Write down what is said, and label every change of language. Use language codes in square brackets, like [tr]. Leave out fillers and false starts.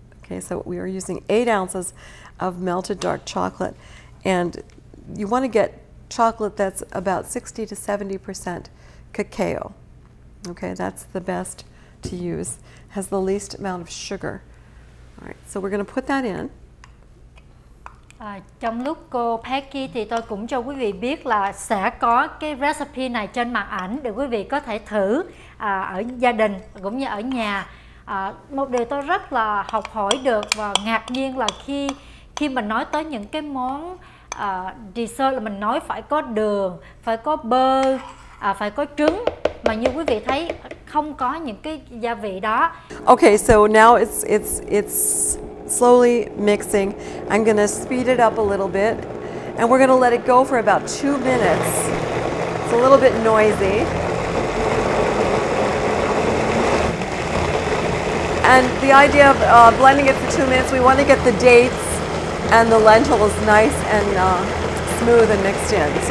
[en] Okay, so we are using 8 ounces of melted dark chocolate, and you want to get chocolate that's about 60 to 70% cacao. Okay, that's the best to use. It has the least amount of sugar. All right, so we're going to put that in. [vi] Trong lúc cô Peggy thì tôi cũng cho quý vị biết là sẽ có cái recipe này trên màn ảnh để quý vị có thể thử ở gia đình cũng như ở nhà. Một điều tôi rất là học hỏi được và ngạc nhiên là khi mình nói tới những cái món dessert là mình nói phải có đường, phải có bơ, phải có trứng, mà như quý vị thấy không có những cái gia vị đó. [en] Okay, so now it's slowly mixing. I'm gonna speed it up a little bit, and we're gonna let it go for about 2 minutes. It's a little bit noisy. And the idea of blending it for 2 minutes, we want to get the dates and the lentils nice and smooth and mixed in.